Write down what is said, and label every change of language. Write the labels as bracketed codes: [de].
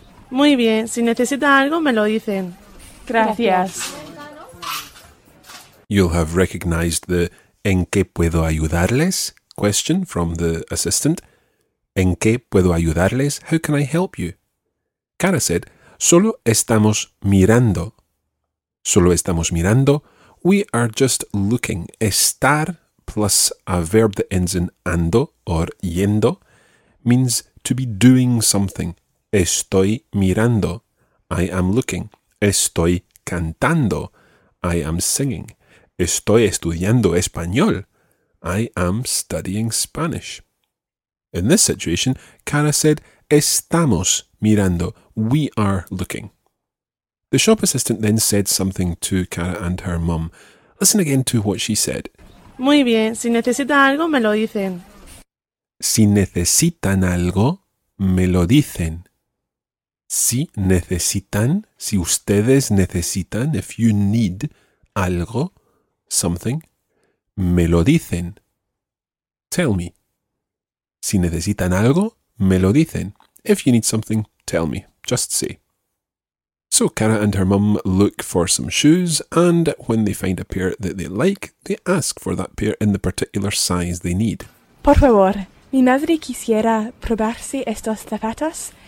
[es] Muy bien, si necesitan algo me lo dicen. Gracias. [en] You'll have recognized the [es] ¿En qué puedo ayudarles? [en] Question from the assistant. [es] ¿En qué puedo ayudarles? [en] How can I help you? Cara said, [es] solo estamos mirando. Solo estamos mirando. [en] We are just looking. Estar plus a verb that ends in ando or yendo means to be doing something. [es] Estoy mirando. [en] I am looking. [es] Estoy cantando. [en] I am singing. [es] Estoy estudiando español. [en] I am studying Spanish. In this situation, Cara said, [es] estamos mirando. [en] We are looking. The shop assistant then said something to Cara and her mum. Listen again to what she said. [es] Muy bien. Si necesitan algo, me lo dicen. Si necesitan algo, me lo dicen. Si necesitan, si ustedes necesitan, [en] if you need [es] algo, [en] something, [es] me lo dicen. [en] Tell me. [es] Si necesitan algo, me lo dicen. [en] If you need something, tell me. Just say. So Cara and her mum look for some shoes, and when they find a pair that they like, they ask for that pair in the particular size they need. [es] Por favor, mi madre quisiera probarse estos zapatos.